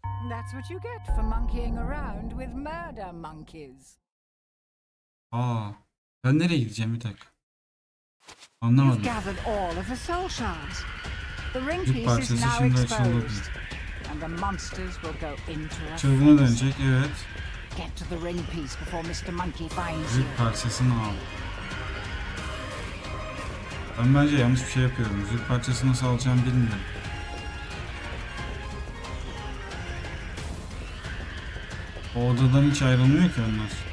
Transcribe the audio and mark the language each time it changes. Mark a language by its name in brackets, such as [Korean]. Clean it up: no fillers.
[English] That's what you get for monkeying around with murder monkeys. [Turkish] Aa, ben nereye gideceğim bir dakika? Anlamadım. [English] You've gathered all of the soul shards. The ring piece is now exposed. And the monsters will go into a frenzy. [Turkish] Dönecek, evet. [English] Get to the ring piece before Mr. Monkey finds you. [Turkish] Zip parçasını al. Ben bence yanlış bir şey yapıyorum. Zip parçasını nasıl alacağımı bilmiyorum. O odadan hiç ayrılmıyor ki onlar.